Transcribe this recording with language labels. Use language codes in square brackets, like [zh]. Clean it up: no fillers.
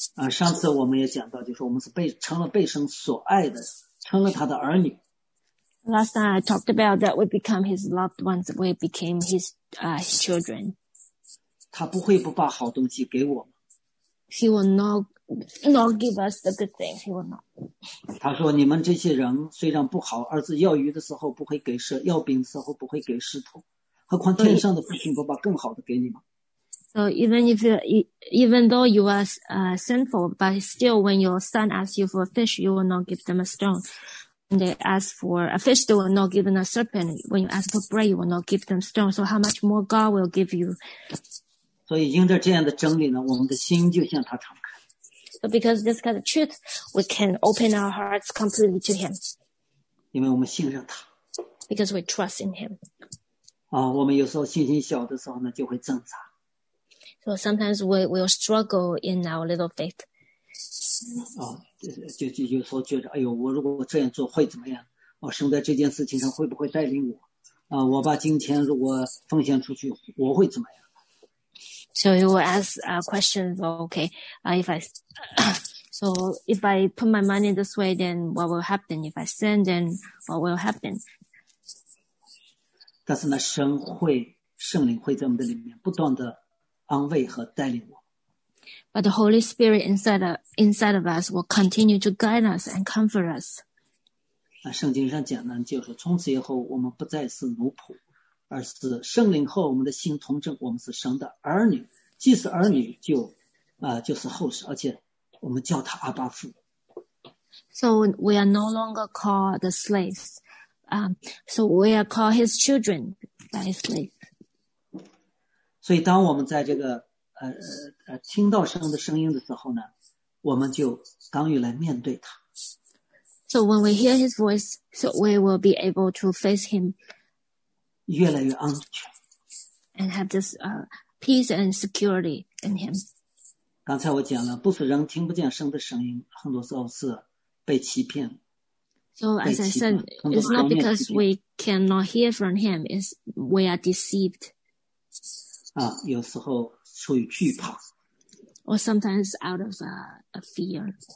[zh] 上次我们也讲到，就是我们是成了被神所爱的，成了他的儿女。 [en] Last time I talked about that we become His loved ones. We became His children. [zh] 他不会不把好东西给我们。 [en] He will not give us the good thing. He will not. [zh] 他说你们这些人虽然不好，儿子要鱼的时候不会给蛇，要饼的时候不会给石头，何况天上的父亲不把更好的给你吗？ [en] So even though you are sinful, but still when your son asks you for a fish, you will not give them a stone. When they ask for a fish, they will not give them a serpent. When you ask for bread, you will not give them stone. So how much more God will give you? [zh] 所以因着这样的真理呢，我们的心就向他敞开。 [en] So because this kind of truth, we can open our hearts completely to Him. [zh] 因为我们信任他。 [en] Because we trust in Him. [zh] 我们有时候信心小的时候呢，就会挣扎。 [en] So sometimes we will struggle in our little faith. [zh] 就有时候觉得，哎呦，我如果这样做会怎么样？我生在这件事情上会不会带领我啊？我把金钱如果奉献出去，我会怎么样？ [en] So you will ask a question. Okay, if I so if I put my money this way, then what will happen? If I send, then what will happen? [zh] 但是呢，神会圣灵会在我们的里面不断的安慰和带领我。 [en] But the Holy Spirit inside of us will continue to guide us and comfort us. [zh] 那圣经上讲呢，就是从此以后我们不再是奴仆，而是圣灵和我们的心同证，我们是神的儿女，既是儿女就，就是后世，而且我们叫他阿爸父。 [en] So we are no longer called the slaves. So we are called his children by his slave. [zh] 所以当我们在这个听到神的声音的时候呢，我们就敢于来面对他。 [en] So when we hear his voice, so we will be able to face him. [zh] 越来越安全。 [en] And have this peace and security in him. [zh] 刚才我讲了，不是人听不见神的声音，很多时候是被欺骗。 [en] So as I said, it's not because we cannot hear from him, it's we are deceived. [zh] 啊，有时候出于惧怕。 [en] Or sometimes out of a fear.